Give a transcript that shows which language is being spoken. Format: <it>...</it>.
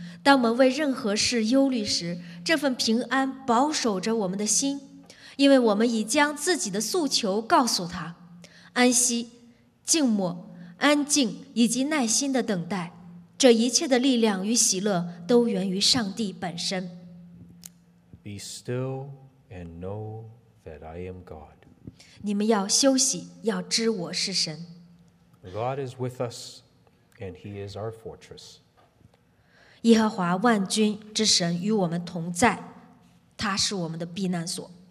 <zh>当我们为任何事忧虑时，这份平安保守着我们的心，因为我们已将自己的诉求告诉他。安息、静默、安静以及耐心的等待，这一切的力量与喜乐都源于上帝本身。</zh> <en>Be still and know that I am God.</en> <zh>你们要休息，要知我是神。</zh> <en>God is with us and he is our fortress.</en> <zh>耶和华万军之神与我们同在，他是我们的避难所。</zh>